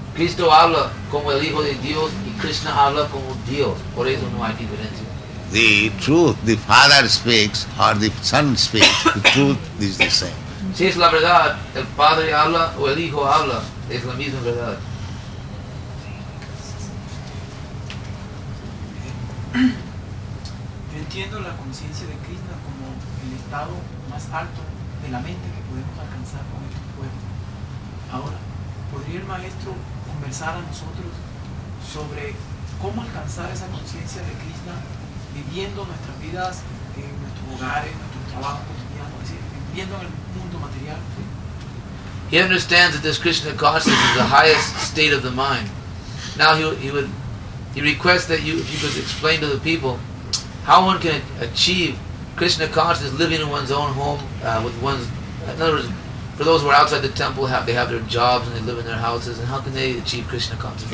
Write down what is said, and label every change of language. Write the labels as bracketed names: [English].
[Spanish] Cristo habla como el Hijo de Dios y Krishna habla como Dios. Por eso no hay diferencia. [English] The truth the Father speaks or the Son speaks, the truth is the same. [Spanish] La Si es la verdad, el Padre habla o el Hijo habla, es la misma verdad. Yo entiendo la conciencia de Krishna como el estado más alto de la mente que podemos alcanzar con este cuerpo. Ahora, ¿podría el maestro conversar a nosotros sobre cómo alcanzar esa conciencia de Krishna viviendo nuestras vidas en nuestros hogares, en nuestro trabajo cotidiano, es decir, viviendo en el mundo material? ¿Sí? [English] He understands that this Krishna consciousness is the highest state of the mind. Now he requests that you, if you could explain to the people how one can achieve Krishna consciousness living in one's own home, with one's, in other words, for those who are outside the temple, they have their jobs and they live in their houses, and how can they achieve Krishna consciousness?